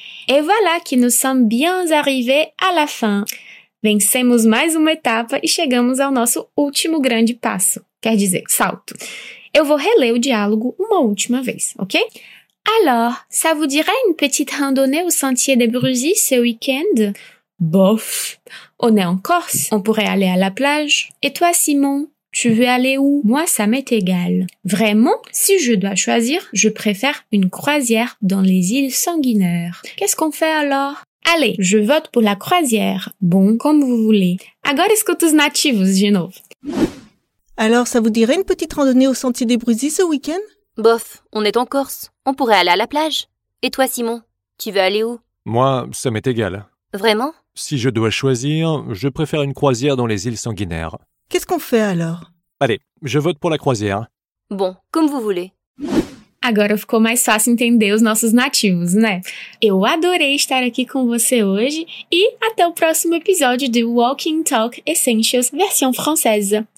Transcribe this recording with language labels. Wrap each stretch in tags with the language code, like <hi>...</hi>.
<fr>Et voilà que nous sommes bien arrivés à la fin.</fr> <pt>Vencemos mais uma etapa e chegamos ao nosso último grande passo. Quer dizer, salto. Eu vou reler o diálogo uma última vez, ok?</pt> <fr>Alors, ça vous dirait une petite randonnée au sentier des Brusis ce week-end? Bof. On est en Corse. On pourrait aller à la plage. Et toi, Simon? Tu veux aller où? Moi, ça m'est égal. Vraiment? Si je dois choisir, je préfère une croisière dans les îles sanguinaires. Qu'est-ce qu'on fait alors? Allez, je vote pour la croisière. Bon, comme vous voulez.</fr> <pt>Agora escuta os nativos de novo.</pt> <fr>Alors, ça vous dirait une petite randonnée au sentier des Brusis ce week-end? Bof, on est en Corse. On pourrait aller à la plage. Et toi, Simon, tu veux aller où? Moi, ça m'est égal. Vraiment? Si je dois choisir, je préfère une croisière dans les îles sanguinaires. Qu'est-ce qu'on fait alors? Allez, je vote pour la croisière. Bon, comme vous voulez.</fr> <pt>Agora ficou mais fácil entender os nossos nativos, né? Eu adorei estar aqui com você hoje e até o próximo episódio de Walking Talk Essentials versão francesa.</pt>